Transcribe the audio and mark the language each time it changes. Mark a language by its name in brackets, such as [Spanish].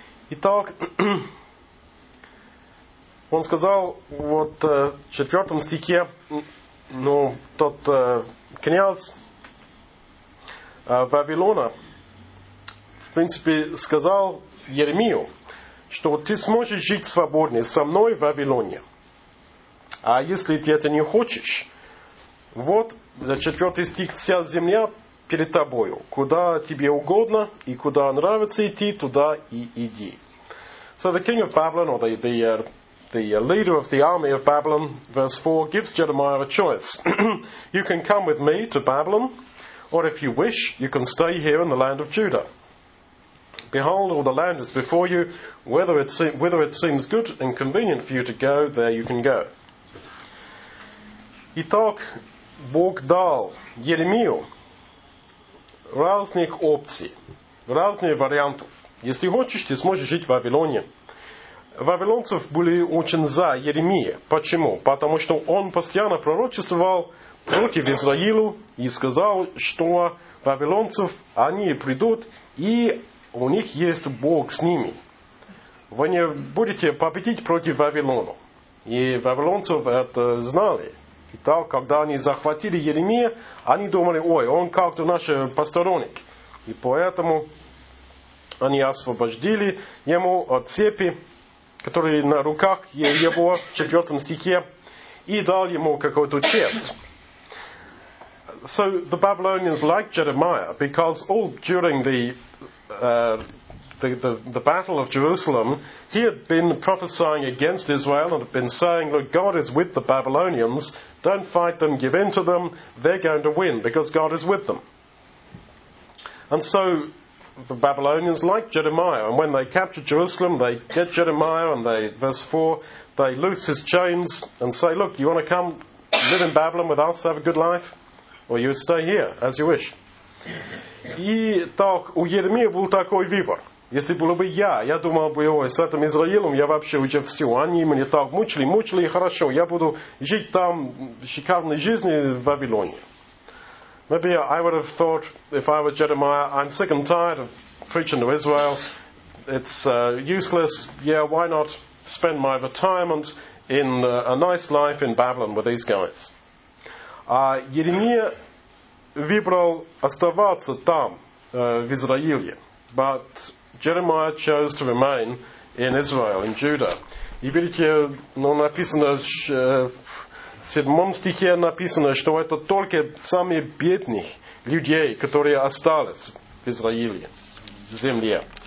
[Russian] Итак, он сказал вот в четвертом стихе, ну, тот князь Вавилона, в принципе, сказал Еремию, что ты сможешь жить свободно со мной в Вавилоне. А если ты это не хочешь, вот, четвертый стих, вся земля перед тобою. Куда тебе угодно и куда нравится идти, туда и иди. [English] So the king of Babylon, or the leader of the army of Babylon, verse 4, gives Jeremiah a choice. You can come with me to Babylon, or if you wish, you can stay here in the land of Judah. Behold, all the land is before you. Whether it seems good and convenient for you to go, there you can go. [Russian] Итак, Бог дал Еремию разных опций, разные вариантов. Если хочешь, ты сможешь жить в Вавилоне. Вавилонцев были очень за Еремию. Почему? Потому что он постоянно пророчествовал против Израилю и сказал, что вавилонцев, они придут и у них есть Бог с ними. Вы не будете победить против Вавилона. И вавилонцев это знали. Итак, когда они захватили Еремия, они думали, ой, он как-то наш посторонник. И поэтому они освободили ему от цепи, которые на руках его в четвертом стихе. и дал ему какую-то честь. [English] So the Babylonians liked Jeremiah because all during the battle of Jerusalem, he had been prophesying against Israel and had been saying, look, God is with the Babylonians, don't fight them, give in to them, they're going to win because God is with them. And so the Babylonians liked Jeremiah, and when they captured Jerusalem, they get Jeremiah, and they, verse 4, they loose his chains and say, look, you want to come live in Babylon with us, have a good life? Or you stay here, as you wish. [Russian] И так, у Еремии был такой выбор. Если было бы я думал бы, ой, с этим Израилем, я вообще уже все. Они мне так мучили, и хорошо, я буду жить там шикарной жизнью в Вавилоне. [English] Maybe I would have thought, if I were Jeremiah, I'm sick and tired of preaching to Israel. It's useless. Yeah, why not spend my retirement in a nice life in Babylon with these guys? [Russian] Еремия выбрал оставаться там, в Израиле. [English] But Jeremiah chose to remain in Israel, in Judah. [Russian] И видите, ну, написано, в 7 стихе написано, что это только самые бедные людей, которые остались в Израиле, в земле.